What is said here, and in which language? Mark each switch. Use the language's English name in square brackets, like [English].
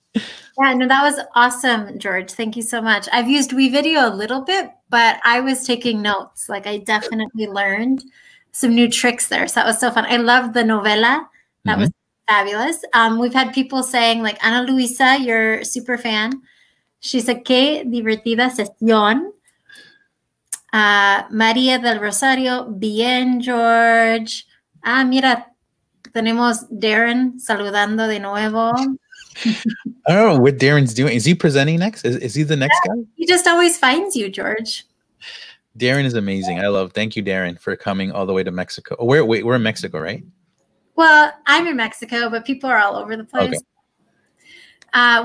[English] Yeah, no, that was awesome, George. Thank you so much. I've used Wevideo a little bit, but I was taking notes. Like, I definitely learned some new tricks there. So that was so fun. I love the NivelA. That was fabulous. We've had people saying, like, Ana Luisa, you're a super fan. She said, [Spanish] qué divertida sesión. María del Rosario, bien, George. Ah, mira, tenemos Darren saludando de nuevo. [English] I don't know what Darren's doing. Is he presenting next? Is he the next guy? He just always finds you, George. Darren is amazing. I love, thank you, Darren, for coming all the way to Mexico. Oh, we're in Mexico, right? Well, I'm in Mexico, but people are all over the place. Okay.